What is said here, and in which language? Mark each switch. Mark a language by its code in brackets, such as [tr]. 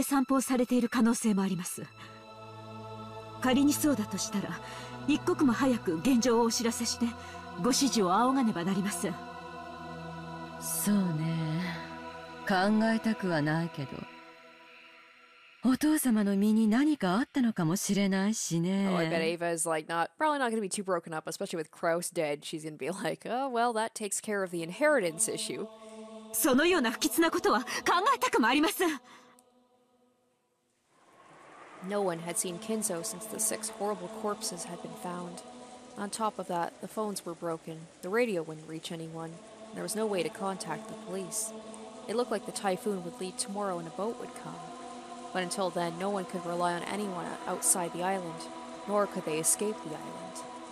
[ja] ご婦女まで、すべてを儲けさせました。親方様があの部屋をお出になることなど、よっぽどのことがない限り。となると、なんや、そのよっぽどのことがあったって考えるのが自然だっちゅうことになるんか。まだそうと決まったわけではありません。とにかく気まぐれな方ですから、現状をご存じなくお一人で散歩をされている可能性もあります。仮にそうだとしたら、一刻も早く現状をお知らせして、ご指示を仰がねばなりません。そうね。考えたくはないけど、お父様の身に何かあったのかもしれないしね。 [en] Oh, I bet Ava is like not, probably not going to be too broken up, especially with Kraus dead. She's going to be like, oh, well, that takes care of the inheritance issue. [ja] そのような不吉なことは考えたくもありません。 [en] No one had seen Kinzo since the 6 horrible corpses had been found. On top of that, the phones were broken, the radio wouldn't reach anyone, and there was no way to contact the police. It looked like the typhoon would leave tomorrow and a boat would come. But until then, no one could rely on anyone outside the island, nor could they escape the island.